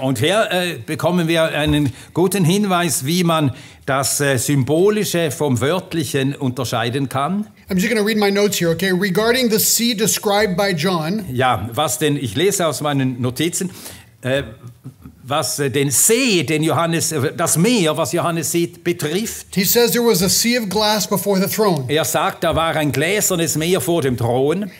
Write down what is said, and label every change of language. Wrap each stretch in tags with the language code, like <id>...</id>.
<de>Und hier bekommen wir einen guten Hinweis, wie man das Symbolische vom Wörtlichen unterscheiden kann.</de> <en>I'm just going to read my notes here, okay? Regarding the sea described by John.</en> <de>Ja, was denn, ich lese aus meinen Notizen, das Meer, was Johannes sieht, betrifft.</de> <en>He says there was a sea of glass before the throne.</en> <de>Er sagt, da war ein gläsernes Meer vor dem Thron.</de>